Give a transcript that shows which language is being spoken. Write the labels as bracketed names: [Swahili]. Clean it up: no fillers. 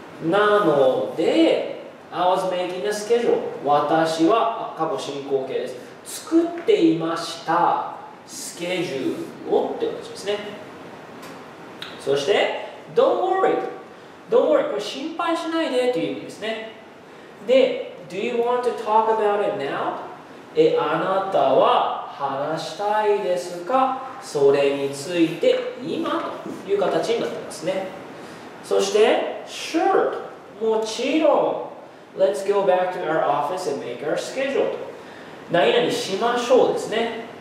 [English] なので、I was making a schedule. [Japanese] 私は過去進行形です。作っていましたスケジュールをって感じですね。 [English] そして、Don't worry. [Japanese] これ心配しないでという意味ですね。 [English] で、Do you want to talk about it now? [Japanese] あなたは話したいですか？それについて今という形になってますね。 [English] そして、Sure! [Japanese] もちろん [English] Let's go back to our office and make our schedule. [Japanese] 何々しましょうですね。